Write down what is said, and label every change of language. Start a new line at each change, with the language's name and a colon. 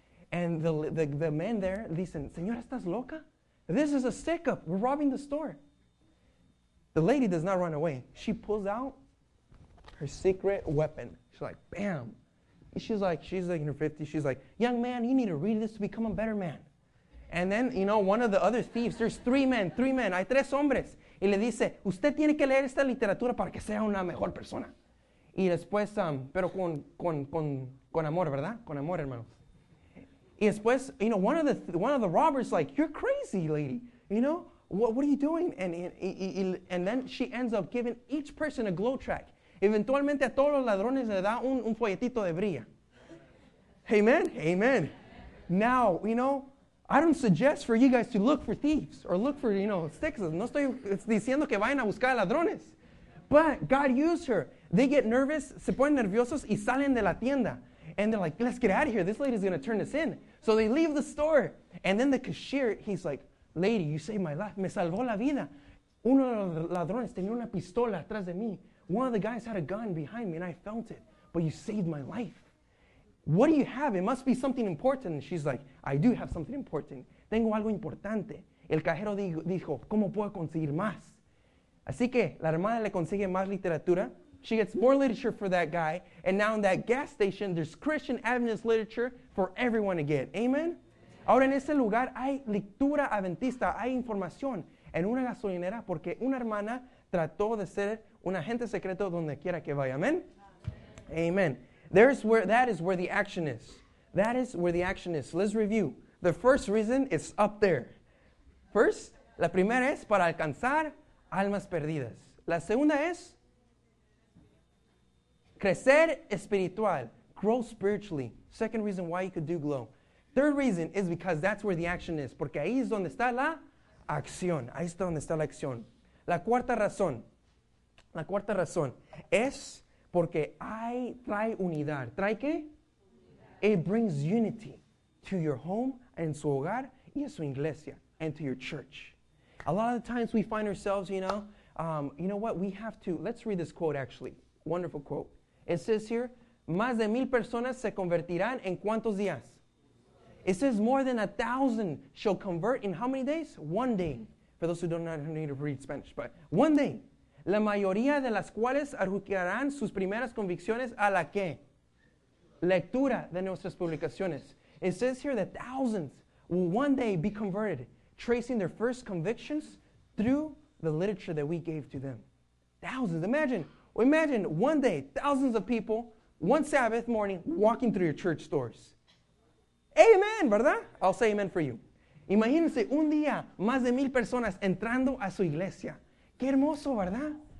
English: And the men there
Spanish: dicen, señora, ¿estás loca?
English: This is a stick-up. We're robbing the store. The lady does not run away. She pulls out her secret weapon. She's like, bam. She's like in her 50s. She's like, young man, you need to read this to become a better man. And then, you know, one of the other thieves, there's three men,
Spanish: hay tres hombres. Y le dice, usted tiene que leer esta literatura para que sea una mejor persona. Y después, pero con amor, ¿verdad? Con amor, hermano. Y después,
English: you know, one of the robbers is like, you're crazy, lady. You know, what are you doing? And then she ends up giving each person a glow track.
Spanish: Eventualmente a todos los ladrones le da un folletito de brilla.
English: Amen, amen. Now, you know, I don't suggest for you guys to look for thieves or look for, you know, sticks.
Spanish: No estoy diciendo que vayan a buscar ladrones.
English: But God used her. They get nervous,
Spanish: se ponen nerviosos y salen de la tienda.
English: And they're like, let's get out of here. This lady's going to turn us in. So they leave the store. And then the cashier, he's like, lady, you saved my life.
Spanish: Me salvó la vida. Uno de los ladrones tenía una pistola atrás de mí.
English: One of the guys had a gun behind me and I felt it. But you saved my life. What do you have? It must be something important. And she's like, I do have something important.
Spanish: Tengo algo importante. El cajero dijo, ¿cómo puedo conseguir más? Así que la hermana le consigue más literatura.
English: She gets more literature for that guy. And now in that gas station, there's Christian Adventist literature for everyone to get. Amen?
Spanish: Ahora en ese lugar hay lectura adventista, hay información en una gasolinera porque una hermana trató de ser un agente secreto donde quiera que vaya.
English: Amen? Amen. That is where the action is. That is where the action is. Let's review. The first reason is up there. First,
Spanish: la primera es para alcanzar almas perdidas. La segunda es crecer espiritual.
English: Grow spiritually. Second reason why you could do glow. Third reason is because that's where the action is.
Spanish: Porque ahí es donde está la acción. Ahí está donde está la acción. La cuarta razón es porque ahí trae unidad. ¿Trae qué?
English: It brings unity to your home,
Spanish: en su hogar, y en su iglesia,
English: and to your church. A lot of the times we find ourselves, you know what, we have to, let's read this quote actually, wonderful quote. It says here,
Spanish: más de 1,000 personas se convertirán en cuántos días?
English: It says more than 1,000 shall convert in how many days? One day. For those who don't know how to read Spanish, but one day.
Spanish: La mayoría de las cuales arruinarán sus primeras convicciones a la que? Lectura de nuestras publicaciones.
English: It says here that thousands will one day be converted, tracing their first convictions through the literature that we gave to them. Thousands. Imagine one day, thousands of people, one Sabbath morning, walking through your church doors. Amen,
Spanish: ¿verdad?
English: I'll say amen for you.
Spanish: Imagínense un día más de 1,000 personas entrando a su iglesia. Qué hermoso, ¿verdad?